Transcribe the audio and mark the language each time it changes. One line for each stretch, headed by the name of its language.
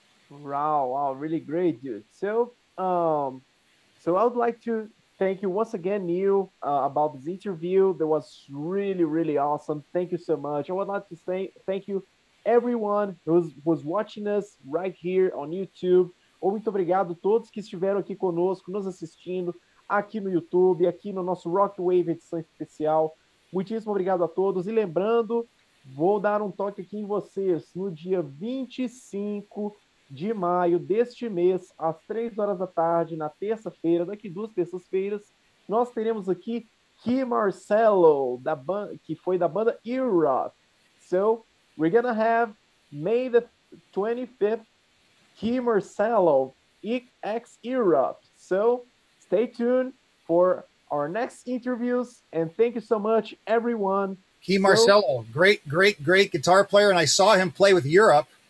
English: Wow, really great, dude. So I would like to thank you once again, Neil, about this interview. That was really, really awesome. Thank you so much. I would like to say thank you everyone who was watching us right here on YouTube.
Portuguese: Ou muito obrigado a todos que estiveram aqui conosco, nos assistindo aqui no YouTube, aqui no nosso Rock Wave edição especial. Muitíssimo obrigado a todos. E lembrando, vou dar um toque aqui em vocês no dia 25 de maio deste mês, às 3 horas da tarde, na terça-feira, daqui duas terças-feiras, nós teremos aqui Key Marcello, que foi da banda Eroth.
English: So, we're gonna have May the 25th, Key Marcello, ex Eroth. So, stay tuned for our next interviews, and thank you so much, everyone. Key Marcello, great, great, great guitar player, and I saw him play with Eroth.